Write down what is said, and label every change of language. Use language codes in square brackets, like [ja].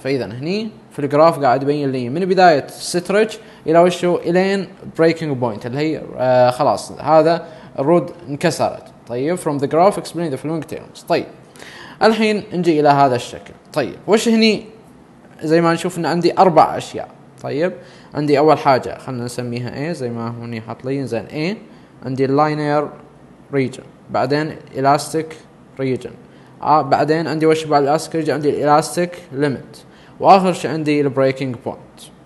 [ar] فإذا هني في الجراف قاعد يبين لي من بداية stretch إلى وشو إلين breaking point اللي هي خلاص هذا الرود انكسرت. [en] طيب from the graph explain the following terms. [ar] طيب الحين نجي الى هذا الشكل. طيب وش هني زي ما نشوف ان عندي اربع اشياء. طيب عندي اول حاجه خلنا نسميها A زي ما هوني حاط لي، زين A عندي linear region بعدين elastic region بعدين عندي وش بعد elastic region عندي elastic limit واخر شيء عندي breaking point.